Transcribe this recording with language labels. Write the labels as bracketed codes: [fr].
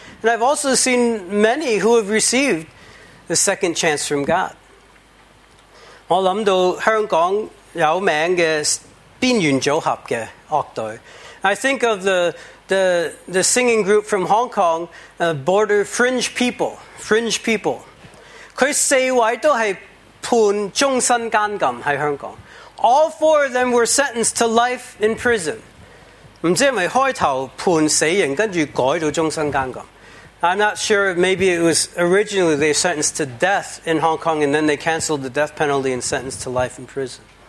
[en] And I've also seen many who have received the second chance from God. [zh] 我想到香港有名的 边缘组合的乐队, [en] I think of the singing group from Hong Kong, Border Fringe People. Fringe People. [zh] 他四位都是判终身监禁在香港. [en] All four of them were sentenced to life in prison. [zh] 不知道是开头判死刑,跟着改到终身监禁. [en] I'm not sure, maybe it was originally they were sentenced to death in Hong Kong and then they canceled the death penalty and sentenced to life in prison.